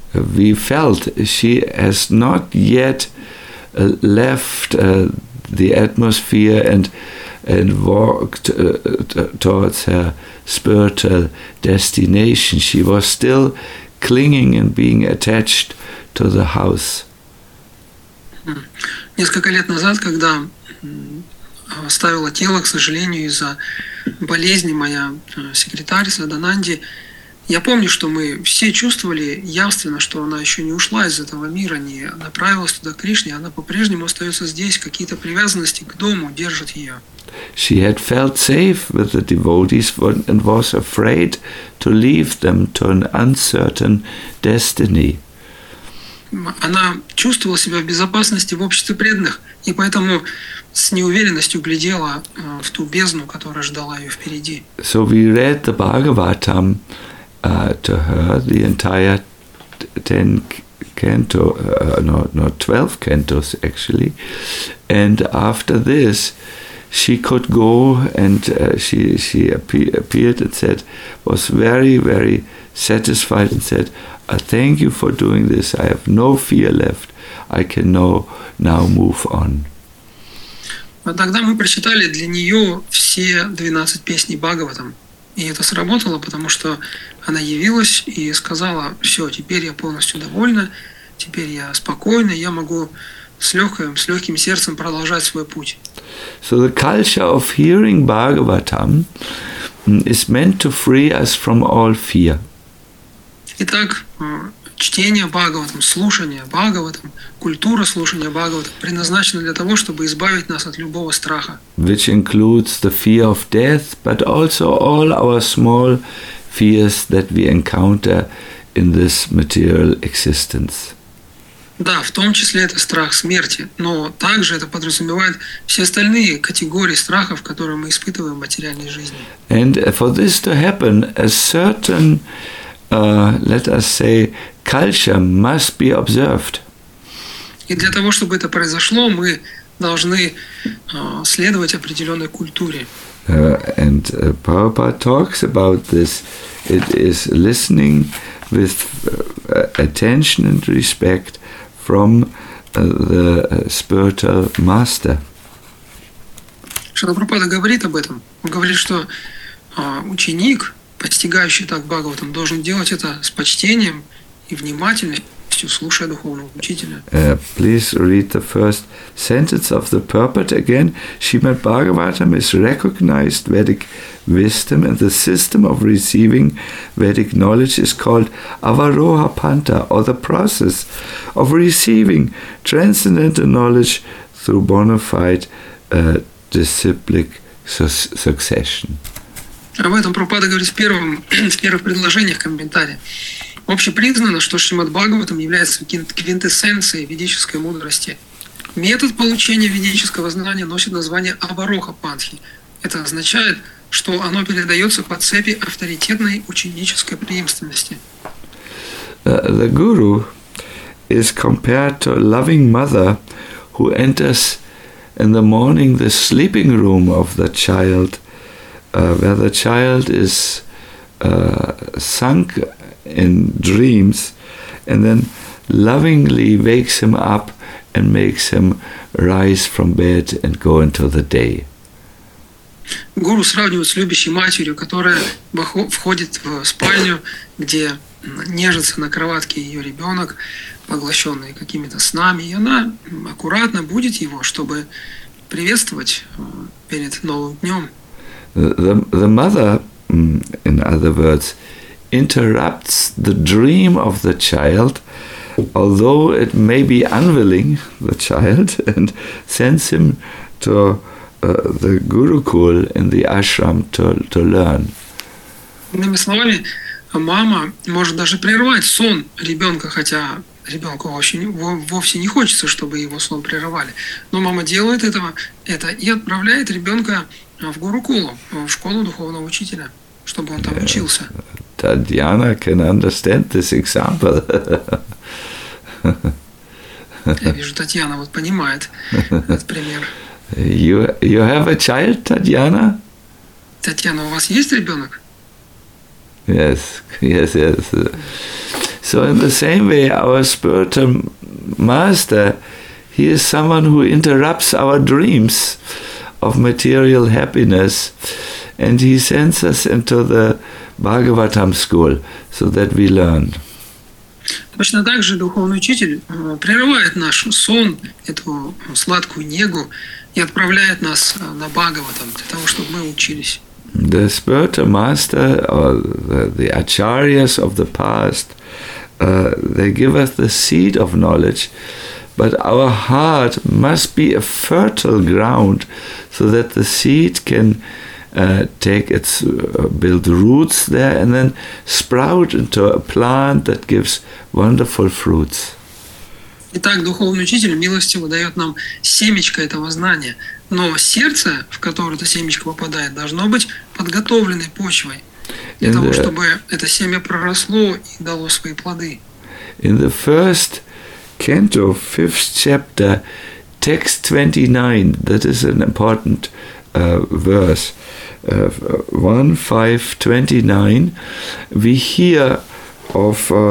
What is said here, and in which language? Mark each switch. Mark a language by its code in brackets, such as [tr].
[en] we felt she has not yet left the atmosphere and walked towards her spiritual destination. She was still clinging and being attached to the house. [ru] Несколько лет назад, когда оставила тело, к сожалению, из-за болезни моя секретарь Садананди, я помню, что мы все чувствовали явственно, что она еще не ушла из этого мира, не направилась туда к Кришне, она по-прежнему остается здесь, какие-то привязанности к дому держат ее. [en] She had felt safe with the devotees and was afraid to leave them to an uncertain destiny. [ru] Она чувствовала себя в безопасности в обществе преданных, и поэтому с неуверенностью глядела в ту бездну, которая ждала ее впереди. [en] So we read the Bhagavatam to her, the entire 12 cantos actually, and after this she could go, and she appeared and said, was very, very satisfied and said, I thank you for doing this. I have no fear left. I can now move on. [ru] Тогда мы прочитали для нее все 12 песней Бхагаватам. И это сработало, потому что она явилась и сказала, все, теперь я полностью довольна, теперь я спокойна, я могу с легким сердцем продолжать свой путь. [en] So the culture of hearing Bhagavatam is meant to free us from all fear. [ru] Итак, чтение Бхагаватам, слушание Бхагаватам, культура слушания Бхагаватам предназначена для того, чтобы избавить нас от любого страха. [en] Which includes the fear of death, but also all our small fears that we encounter in this material existence. [ru] Да, в том числе это страх смерти, но также это подразумевает все остальные категории страхов, которые мы испытываем в материальной жизни. [en] And for this to happen, a certain, let us say, culture must be observed. [ru] И для того, чтобы это произошло, мы должны следовать определенной культуре. [en] And Prabhupada talks about this. It is listening with attention and respect from the spiritual master. [ru] Шрила Прабхупада говорит об этом. Он говорит, что ученик, постигающий так Бхагаватам, должен делать это с почтением и внимательностью, слушая духовного учителя. [en] Please read the first sentence of the purport again. Srimad Bhagavatam is recognized Vedic wisdom, and the system of receiving Vedic knowledge is called Avaroha Panta, or the process of receiving transcendental knowledge through bona fide disciplic succession. [ru] Об этом Прабхупада говорит в первых предложениях комментария. Общепризнано, что Шримад Бхагаватам является квинтэссенцией ведической мудрости. Метод получения ведического знания носит название Авароха Пантхи. Это означает, что оно передается по цепи авторитетной ученической преемственности. [en] The guru is compared to a loving mother who enters in the morning the sleeping room of the child, where the child is sunk in dreams, and then lovingly wakes him up and makes him rise from bed and go into the day. [ru] Гуру сравнивают с любящей матерью, которая входит в спальню, где нежится на кроватке ее ребенок, поглощенный какими-то снами, и она аккуратно будет его, чтобы приветствовать перед новым днем. [en] The mother, in other words, interrupts the dream of the child, although it may be unwilling, the child, and sends him to the Gurukul in the ashram to learn. [ru] Иными словами, мама может даже прервать сон ребенка, хотя ребенку вовсе не хочется, чтобы его сон прерывали. Но мама делает это и отправляет ребенка в Гурукулу, в школу духовного учителя, чтобы он там учился. [en] Татьяна can understand this example. [ru] Я вижу, Татьяна вот понимает этот пример. [en] You have a child, Татьяна? [ru] Татьяна, у вас есть ребенок? [en] Yes. So in the same way, our spiritual master, he is someone who interrupts our dreams of material happiness, and he sends us into the Bhagavatam school so that we learn. [ru] Точно так же духовный учитель прерывает наш сон, эту сладкую негу, и отправляет нас на Бхагаватам для того, чтобы мы учились. [en] The spiritual master or the acharyas of the past, they give us the seed of knowledge, but our heart must be a fertile ground so that the seed can build roots there and then sprout into a plant that gives wonderful fruits. [ru] Итак, духовный учитель милостиво дает нам семечко этого знания, но сердце, в которое это семечко попадает, должно быть подготовленной почвой для того, чтобы это семя проросло и дало свои плоды. [en] In the first canto, fifth chapter, text 29, that is an important verse, 1:5:29, we hear of